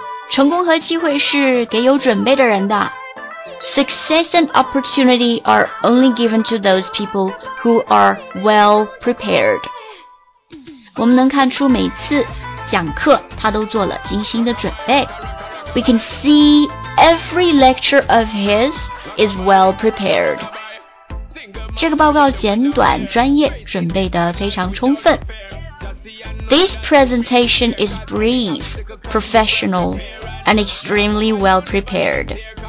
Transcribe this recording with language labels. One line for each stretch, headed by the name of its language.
Chinese: 成功和机会是给有准备的人的。
English: Success and opportunity are only given to those people who are well prepared.
Chinese: 我们能看出每次讲课他都做了精心的准备。
English: We can see every lecture of his is well prepared.
Chinese: 这个报告简短专业，准备得非常充分。
English: This presentation is brief, professional, and extremely well prepared.